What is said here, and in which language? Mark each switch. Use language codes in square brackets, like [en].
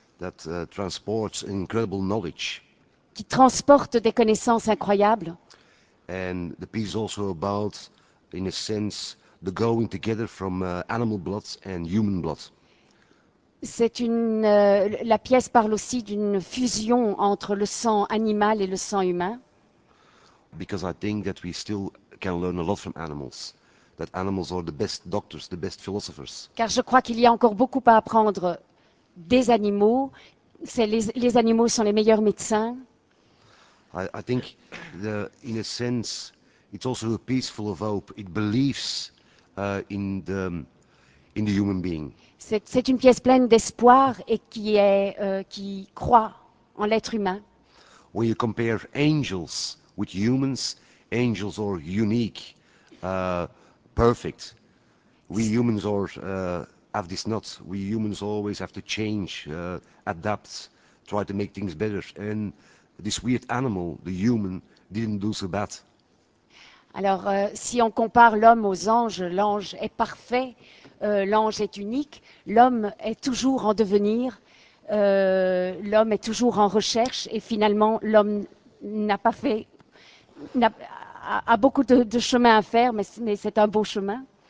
[en] that transports incredible knowledge. [fr] Qui transporte des connaissances incroyables. [en] And the piece also about, in a sense, the going together from animal blood and human blood. [fr] C'est la pièce parle aussi d'une fusion entre le sang animal et le sang humain. [en] Because I think that we still can learn a lot from animals. That animals are the best doctors, the best philosophers. [fr] Car je crois qu'il y a encore beaucoup à apprendre des animaux. Les animaux sont les meilleurs médecins. [en] I think, in a sense, it's also a piece full of hope. It believes in the human being. [fr] C'est une pièce pleine d'espoir et qui croit en l'être humain. [en] When you compare angels with humans, angels are unique. Perfect. We humans have this not. We humans always have to change, adapt, try to make things better. And this weird animal, the human, didn't do so bad. [fr] Alors, si on compare l'homme aux anges, l'ange est parfait, l'ange est unique, l'homme est toujours en devenir, l'homme est toujours en recherche, et finalement, l'homme n'a pas fait, a beaucoup de chemin à faire, mais c'est un beau chemin.